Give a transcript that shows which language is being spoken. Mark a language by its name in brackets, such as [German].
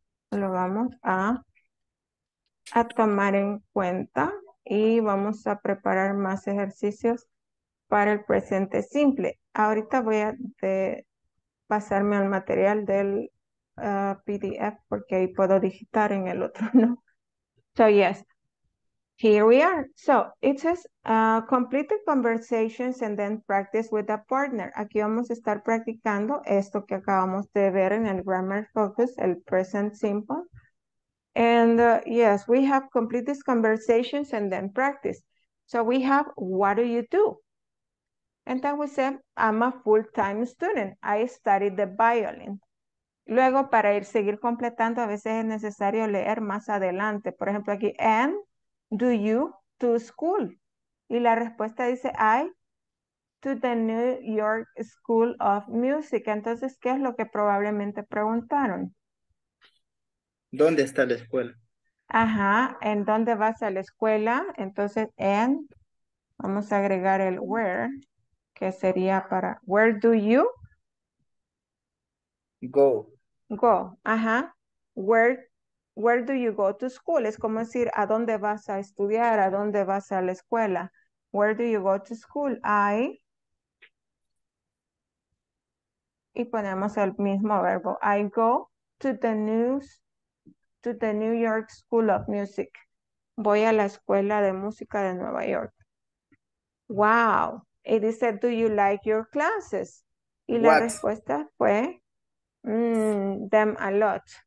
[Spanish] Lo vamos a tomar en cuenta y vamos a preparar más ejercicios para el presente simple. Ahorita voy a pasarme al material del PDF porque ahí puedo digitar en el otro, ¿no? [English] So, yes. Here we are. So, it says, complete the conversations and then practice with a partner. [Spanish] Aquí vamos a estar practicando esto que acabamos de ver en el Grammar Focus, el present simple. [English] And yes, we have complete these conversations and then practice. So, we have, what do you do? And then we said, I'm a full-time student. I studied the violin. [Spanish] Luego, para ir seguir completando, a veces es necesario leer más adelante. Por ejemplo, aquí, [English] and do you to school? [Spanish] Y la respuesta dice, [English] I to the New York School of Music. [Spanish] Entonces, ¿qué es lo que probablemente preguntaron? ¿Dónde está la escuela? Ajá, ¿en dónde vas a la escuela? Entonces, and, vamos a agregar el where, que sería para, [English] where do you? Go. Go, ajá. Where do you go to school? [Spanish] Es como decir, ¿a dónde vas a estudiar? ¿A dónde vas a la escuela? [English] Where do you go to school? I. [Spanish] Y ponemos el mismo verbo. [English] I go to the New York School of Music. [Spanish] Voy a la escuela de música de Nueva York. [English] Wow. [Spanish] Y dice, [English] do you like your classes? [Spanish] Y la [English] What? [Spanish] Respuesta fue, [English] them a lot.